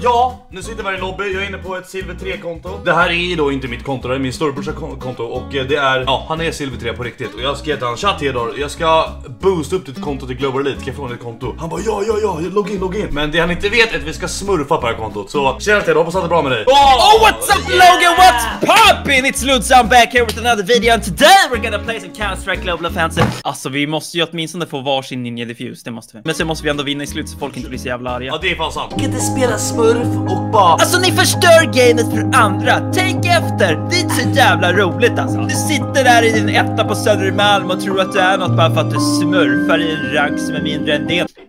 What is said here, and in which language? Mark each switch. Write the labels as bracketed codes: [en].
[sv] Ja, nu sitter vi här i lobby, jag är inne på ett Silver 3-konto. Det här är då inte mitt konto, det är min storebrorsa konto och det är, ja, han är Silver 3 på riktigt. Och jag ska ge till han, tja Theodor, jag ska boosta upp ditt konto till Global Elite, ska jag få ditt konto? Han bara, ja, logga in. Men det han inte vet är att vi ska smurfa på det här kontot. Så tjena till, hoppas att det är bra med dig. [en] Oh, what's up, yeah! Logan, what's poppin? It's Ludz, I'm back here with another video. And today we're gonna play some Counter-Strike Global Offensive. [sv] Alltså, vi måste ju åtminstone få varsin Ninja Diffuse, det måste vi. Men sen måste vi ändå vinna i slut så folk inte blir så jävla arga. Ja, det är fan sant. Kan inte spela smurf och bara... Alltså, ni förstör gamet för andra. Tänk efter, det är så jävla roligt alltså. Du sitter där i din etta på Södermalm och tror att du är något bara för att du smurfar i en rank som är mindre än det.